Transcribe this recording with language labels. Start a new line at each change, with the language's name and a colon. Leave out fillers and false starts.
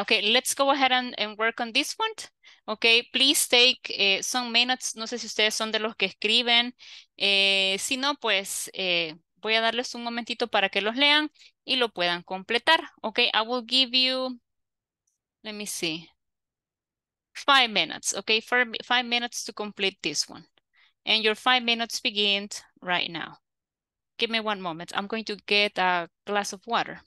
English: Okay, let's go ahead and work on this one. Okay, please take some minutes.
Spanish: No sé si ustedes son de los que escriben. Si no, pues voy a darles un momentito para que los lean y lo puedan completar.
English: Okay, I will give you, let me see, 5 minutes. Okay, for 5 minutes to complete this one. And your 5 minutes begins right now. Give me one moment. I'm going to get a glass of water.